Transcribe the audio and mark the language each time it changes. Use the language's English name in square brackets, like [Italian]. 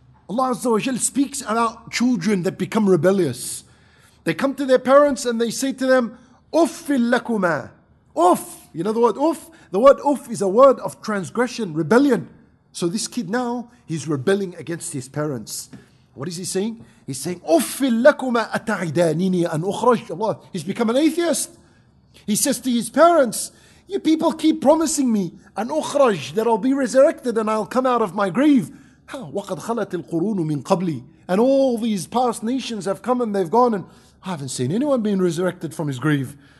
[English] Allah Azza wa Jalla speaks about children that become rebellious. They come to their parents and they say to them, [Arabic] أُفِّلْ لَكُمَا. [English] Uff, you know the word uff? The word uff is a word of transgression, rebellion. So this kid now, he's rebelling against his parents. What is he saying? He's saying, [Arabic] أُفِّلْ لَكُمَا أَتَعِدَانِنِي أَنْ أُخْرَجْ. [English] Allah, he's become an atheist. He says to his parents, you people keep promising me an ukhraj, that I'll be resurrected and I'll come out of my grave. [Arabic] وَقَدْ خَلَتِ الْقُرُونُ مِنْ قَبْلِي. [English] And all these past nations have come and they've gone, and I haven't seen anyone being resurrected from his grave.